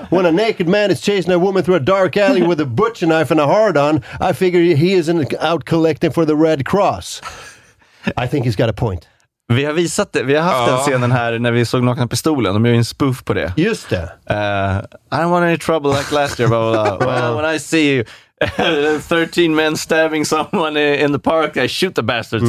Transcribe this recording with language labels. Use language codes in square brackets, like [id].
[en] When a naked man is chasing a woman through a dark alley with a butcher knife and a hard-on, I figure he isn't out collecting for the Red Cross. I think he's got a point. [sv] Vi har visat det. Vi har haft den scenen här när vi såg Nakna pistolen. De gör ju en spoof på det. Just det. [en] I don't want any trouble like last year, blah, blah. Well, when I see you... 13 men stabbing someone in the park, I shoot the bastards.